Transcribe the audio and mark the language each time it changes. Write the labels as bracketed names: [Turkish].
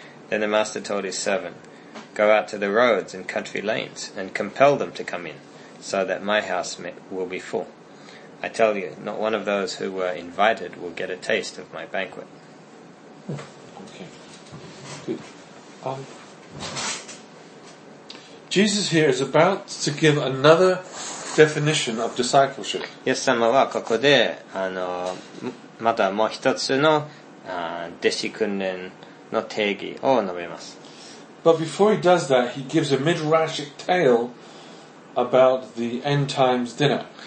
[English] Then the master told his servant, "Go out to the roads and country lanes and compel them to come in, so that my house will be full. I tell you, not one of those who were invited will get a taste of my banquet." Okay. Good. Jesus here is about to give another definition of discipleship. [Japanese] イエス様はここで、またもう一つの、弟子訓練の定義を述べます。 [English] But before he does that, he gives a midrashic tale about the end times dinner.